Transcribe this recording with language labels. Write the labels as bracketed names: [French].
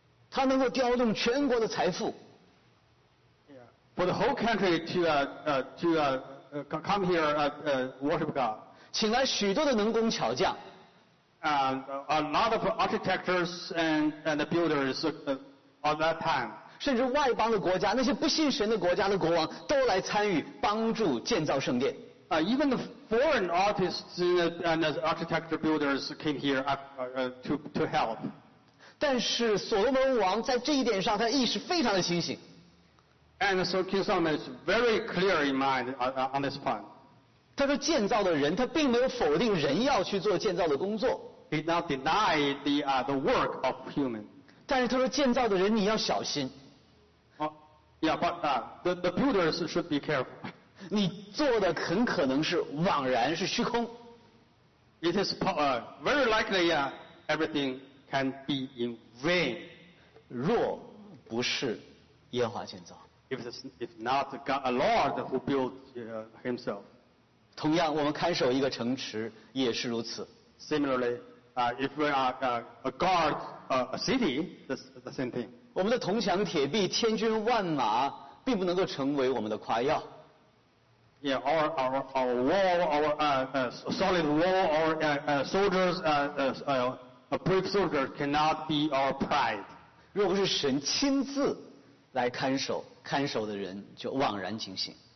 [Chinese] 他能够调动全国的财富。 [English] Yeah, for the whole country come here worship God. [Chinese] 请来许多的能工巧匠 [English] a lot of architects and builders of that time [Chinese] 甚至外邦的国家那些不信神的国家的国王都来参与帮助建造圣殿 [English] even the foreign artists and architecture builders came here to help [Chinese] 但是所罗门王在这一点上他意识非常的清醒 [English] and so King Solomon is very clear in mind on this point [Chinese] 他说建造的人他并没有否定人要去做建造的工作 [English] He did not deny the work of human [Chinese] 但是他说建造的人你要小心 [English] the builders should be careful [Chinese] 你做的很可能是枉然是虚空 [English] It is very likely everything can be in vain [Chinese] 若不是耶和华建造 [English] If not God, a Lord who built himself [Chinese] 同样我们看守一个城池也是如此 [English] Similarly, if we are a guard a city, that's the same thing [Chinese] 我们的铜墙铁壁千军万马并不能够成为我们的夸耀 [English] Yeah, our wall, our solid wall, our soldiers, a brave soldier cannot be our pride [Chinese] 若不是神亲自来看守看守的人就枉然警醒